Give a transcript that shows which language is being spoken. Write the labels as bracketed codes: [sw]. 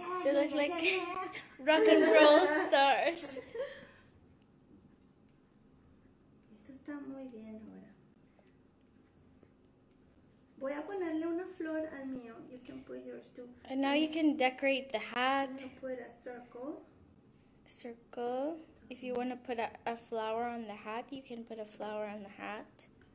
[en] They look like rock and roll stars. [es] Esto está muy bien ahora. Voy a ponerle una flor al mío. [en] You can put yours too. And now you can decorate the hat. I'm gonna put a circle. Circle. If you want to put a flower on the hat, you can put a flower on the hat.